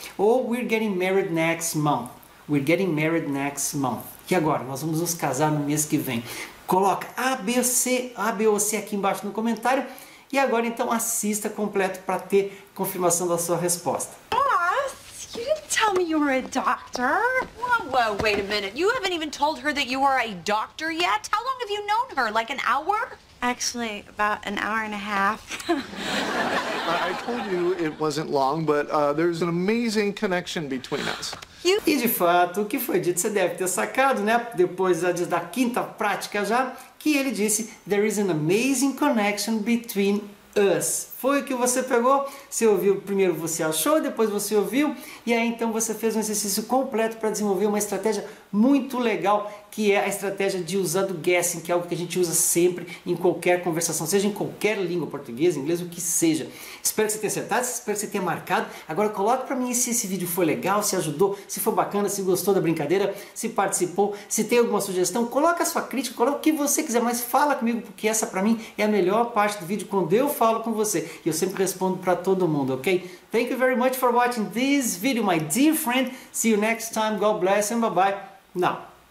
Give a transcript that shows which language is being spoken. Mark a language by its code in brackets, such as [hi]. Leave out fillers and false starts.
[en] Ou we're getting married next month. [pt] E agora? Nós vamos nos casar no mês que vem. Coloca A, B ou C aqui embaixo no comentário. E agora, então, assista completo para ter confirmação da sua resposta. [en] Boss, you didn't tell me you were a doctor. Whoa, wait a minute. You haven't even told her that you are a doctor yet? How long have you known her? Like an hour? Actually, about an hour and a half. I told you it wasn't long, but there's an amazing connection between us. [pt] E de fato, o que foi dito, você deve ter sacado, né? Depois da quinta prática já, que ele disse, [en] there is an amazing connection between us. [pt] Foi o que você pegou? Você ouviu, primeiro você achou, depois você ouviu, e aí então você fez um exercício completo para desenvolver uma estratégia muito legal que é a estratégia de usar do guessing, que é algo que a gente usa sempre em qualquer conversação, seja em qualquer língua, português, inglês, o que seja. Espero que você tenha acertado, espero que você tenha marcado. Agora coloque para mim se esse vídeo foi legal, se ajudou, se foi bacana, se gostou da brincadeira, se participou, se tem alguma sugestão, coloca a sua crítica, coloca o que você quiser, mas fala comigo, porque essa para mim é a melhor parte do vídeo, quando eu falo com você. E eu sempre respondo para todo mundo, ok? [en] Thank you very much for watching this video, my dear friend. See you next time. God bless and bye-bye. Now.